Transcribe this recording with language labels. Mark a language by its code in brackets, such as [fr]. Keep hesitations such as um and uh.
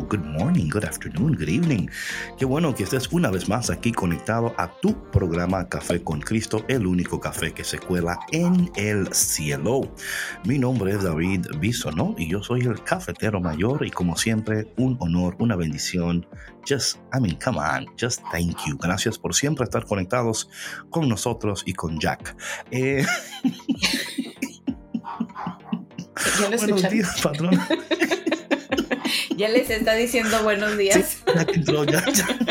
[en] Good morning, good afternoon, good evening. [es] Qué bueno que estés una vez más aquí conectado a tu programa Café con Cristo, el único café que se cuela en el cielo. Mi nombre es David Bisonó y yo soy el cafetero mayor y como siempre, un honor, una bendición. [en] Just, I mean, come on, just thank you. [es] Gracias por siempre estar conectados con nosotros y con Jack. Eh, Ya lo buenos escucharon. días, patrón. Ya les está diciendo buenos días. Ya que entró, ya, ya.